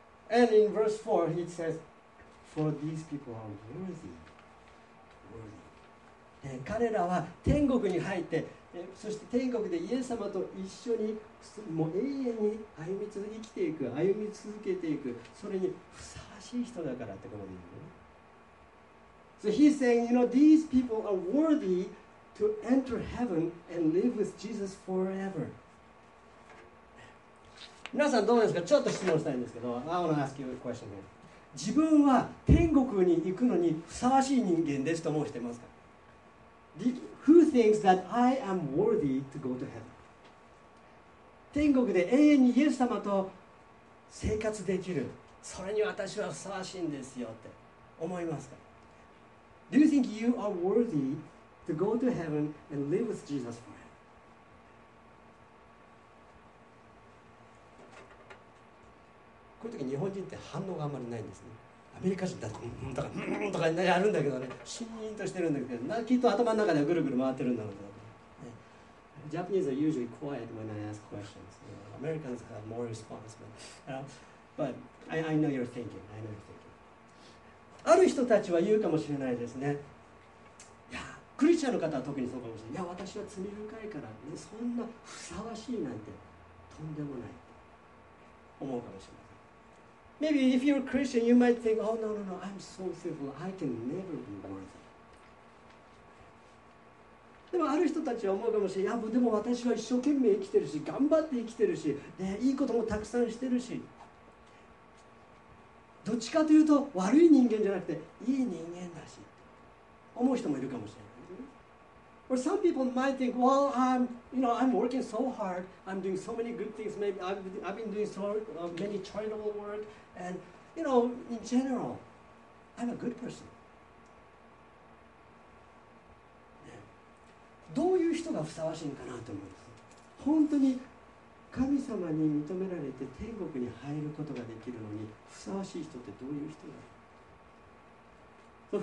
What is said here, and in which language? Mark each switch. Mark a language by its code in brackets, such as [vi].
[en] And in verse 4, he says, For these people are worthy. [ja] で彼らは天国に入って、そして天国でイエス様と一緒にもう永遠に歩み続け生きていく、歩み続けていく、それにふさわしい人だからってことですね。 [en] So he's saying, you know, these people are worthy to enter heaven and live with Jesus forever. [ja] 皆さんどうですか？ちょっと質問したいんですけど、 [en] I want to ask you a question here. [ja] 自分は天国に行くのにふさわしい人間ですと申してますか？ [en] Who thinks that I am worthy to go to heaven? [ja] 天国で永遠にイエス様と生活できる、それに私はふさわしいんですよって思いますか？ [en] Do you think you are worthy to go to heaven and live with Jesus forever? [ja] こういう時日本人って反応があんまりないんですね。アメリカ人だと、うんとか、うんとかやるんだけどね、シーンとしてるんだけど、なきっと頭の中ではぐるぐる回ってるんだろうと。 [en] Japanese are usually quiet when I ask questions. You know, Americans have more response. But I know you're thinking. I know you're thinking. [ja] ある人たちは言うかもしれないですね。いや、クリスチャンの方は特にそうかもしれない。いや、私は罪深いから、ね、そんなふさわしいなんてとんでもないと思うかもしれない。 [en] Maybe if you're a Christian, you might think, oh, no, I'm so sinful, I can never be worthy. [ja] でもある人たちは思うかもしれない。いや、でも私は一生懸命生きてるし、頑張って生きてるし、ね、いいこともたくさんしてるし、どっちかというと悪い人間じゃなくていい人間だし、思う人もいるかもしれない。 [en] Or some people might think, well, I'm working so hard, I'm doing so many good things, maybe I've been doing so many charitable work, and, you know, in general, I'm a good person. [ja] どういう人がふさわしいかなと思うんです。本当に神様に認められて天国に入ることができるのにふさわしい人ってどういう人だ。